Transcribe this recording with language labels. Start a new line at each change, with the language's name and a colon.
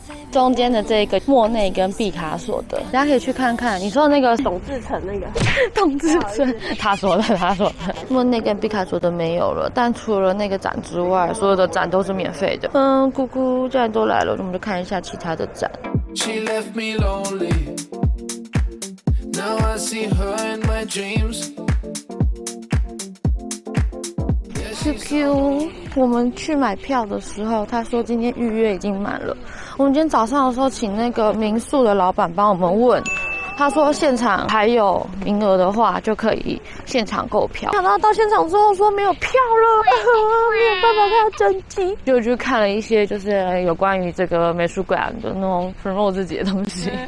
Chinese: 中间的这个莫内跟毕卡索的，大家可以去看看。你说的那个董志成那个董志成，他说的莫内跟毕卡索的没有了，但除了那个展之外，所有的展都是免费的。嗯，姑姑既然都来了，我们就看一下其他的展。
English: She left me lonely, now I see her in my dreams.
Chinese: QQ， 我们去买票的时候，他说今天预约已经满了。我们今天早上的时候请那个民宿的老板帮我们问，他说现场还有名额的话就可以现场购票。没想到到现场之后说没有票了，没有办法看真迹，就去看了一些就是有关于这个美术馆的那种 promo 自己的东西。